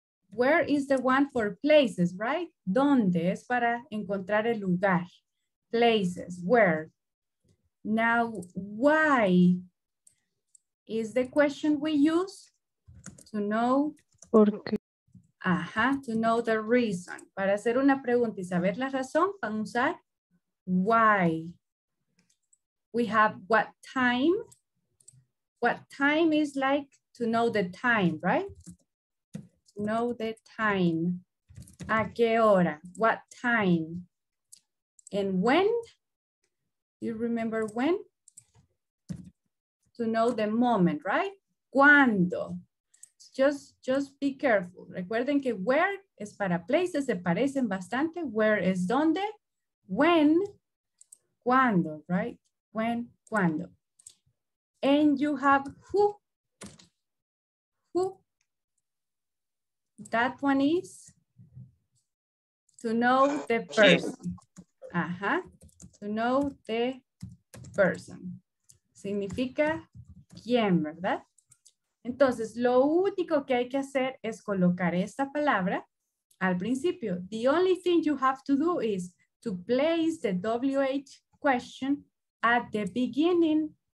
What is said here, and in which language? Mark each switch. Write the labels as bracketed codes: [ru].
[en] Where is the one for places, right? [es] ¿Dónde? Es para encontrar el lugar. [en] Places, where? Now, why is the question we use to know? [es] ¿Por qué? [en] To know the reason. [es] Para hacer una pregunta y saber la razón, vamos a usar why. [en] We have what time. What time is like to know the time, right? Know the time. [es] ¿A qué hora? [en] What time? And when? You remember when? To know the moment, right? [es] ¿Cuándo? [en] Just be careful. [es] Recuerden que where es para places, se parecen bastante. Where es donde, when, cuando, [en] right? [es] When, cuando. [en] And you have who. Who. That one is to know the person. To know the person. [es] Significa quién, ¿verdad? Entonces, lo único que hay que hacer es colocar esta palabra al principio. [en] The only thing you have to do is to place the WH question at the beginning.